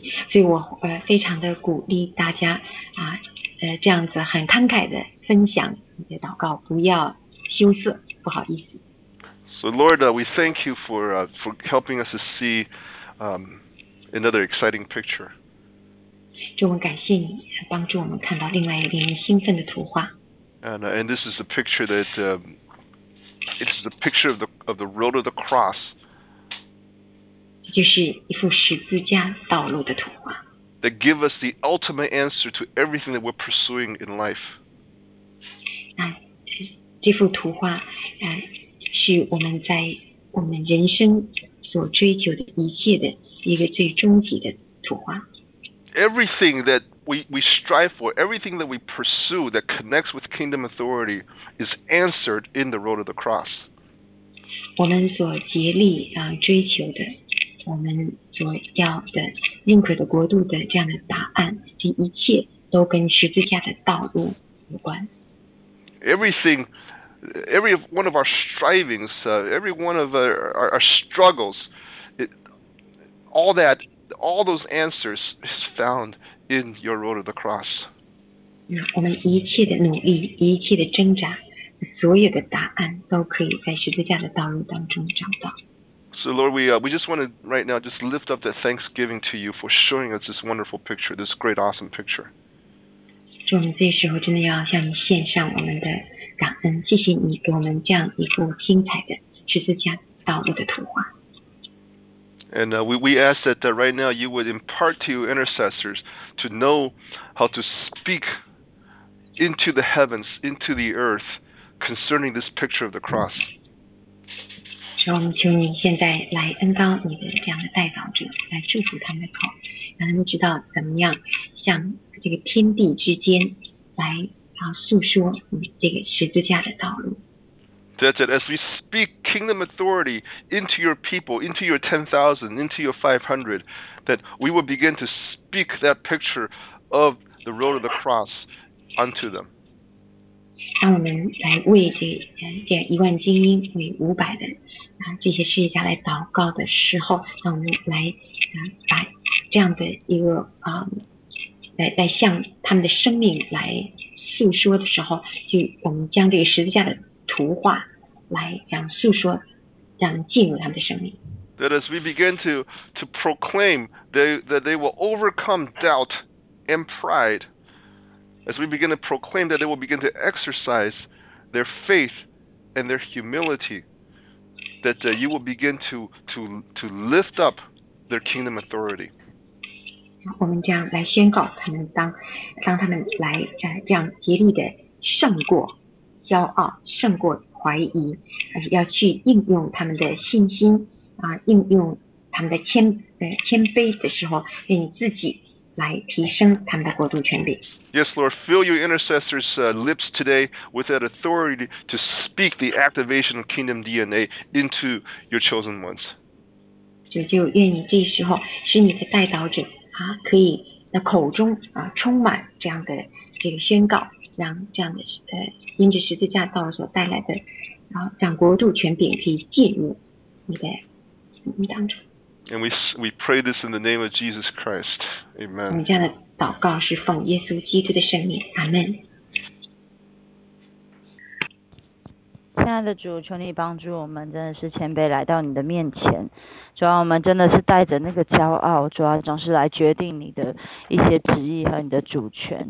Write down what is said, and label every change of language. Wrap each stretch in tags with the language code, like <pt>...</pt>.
<zh>所以我非常的鼓励大家这样子很慷慨的分享你的祷告，不要羞涩，不好意思。</zh> <en>So Lord, we thank you for helping us to see another exciting picture.</en> <zh>主，我感谢你帮助我们看到另外一个令人兴奋的图画。</zh> <en>And this is a picture that it's the picture of the road of the cross.</en> <zh>就是一幅十字架道路的图画。</zh> <en>That give us the ultimate answer to everything that we're pursuing in life.</en> <zh>这幅图画是我们在我们人生所追求的一切的一个最终极的图画。</zh> <en>Everything that we strive for, everything that we pursue that connects with kingdom authority is answered in the road of the cross.</en> <zh>我们所竭力追求的，我们所要的认可的国度的这样的答案，这一切都跟十字架的道路有关。</zh> <en>Everything, every one of our strivings, every one of our struggles, all those answers is found in your road of the cross.</en> <zh>我们一切的努力，一切的挣扎，所有的答案都可以在十字架的道路当中找到。</zh> <en>So Lord, we just want to right now just lift up the thanksgiving to you for showing us this wonderful picture, this great awesome picture.</en> <zh>主，我们这时候真的要向你献上我们的感恩，谢谢你给我们这样一幅精彩的十字架道路的图画。</zh> <en>And we ask that right now you would impart to your intercessors to know how to speak into the heavens, into the earth, concerning this picture of the cross.</en> <zh>主，我们求你现在来恩膏你的这样的代祷者，来祝福他们的口，让他们知道怎么样向这个天地之间来诉说你这个十字架的道路。</zh> <en>That's it. As we speak kingdom authority into your people, into your 10,000, into your 500, that we will begin to speak that picture of the road of the cross unto them.</en> <zh>让我们来为这一万精英，为五百人这些世界家来祷告的时候，让我们来把这样的一个来向他们的生命来诉说的时候，就我们将这个十字架的图画来讲述说，让进入他们的生命。</zh> <en>That as we begin to proclaim that they will overcome doubt and pride, as we begin to proclaim that they will begin to exercise their faith and their humility, that you will begin to lift up their kingdom authority.</en> <zh>我们这样来宣告他们当他们来这样竭力的胜过。骄傲胜过怀疑，要去应用他们的信心应用他们的谦卑的时候，愿你自己来提升他们的国度权柄。</zh> <en>Yes, Lord, fill your intercessors' lips today with that authority to speak the activation of kingdom DNA into your chosen ones.</en> <zh>就愿你这时候使你的代祷者可以那口中充满这样的这个宣告。让这样的因着十字架道路所带来的让国度权柄可以进入你的当中。</zh> <en>And we pray this in the name of Jesus Christ. Amen.</en> <zh>我们这样的祷告是奉耶稣基督的圣名。阿们。亲爱的主，求你帮助我们，真的是谦卑来到你的面前。主要我们真的是带着那个骄傲，主要总是来决定你的一些旨意和你的主权。</zh>